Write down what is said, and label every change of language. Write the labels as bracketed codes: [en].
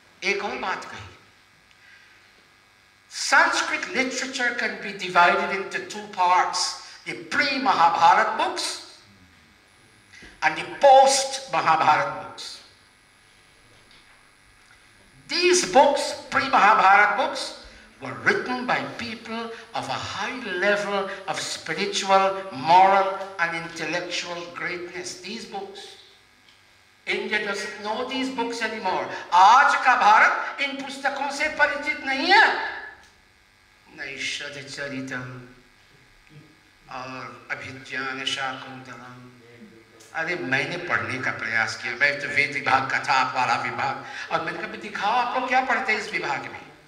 [hi] एक और बात कही, [en] Sanskrit literature can be divided into two parts, the pre Mahabharat books and the post Mahabharat books. These books, pre-Mahabharat books, were written by people of a high level of spiritual, moral, and intellectual greatness. These books, India doesn't know these books anymore. [hi] आज का भारत इन पुस्तकों से परिचित नहीं है। नैषधीय चरितम् और अभिज्ञान शाकुंतलम्। अरे मैंने पढ़ने का प्रयास किया, मैं तो वेद विभाग का था, अखबारा विभाग, और मैंने कहा दिखाओ आप लोग क्या पढ़ते हैं इस विभाग में।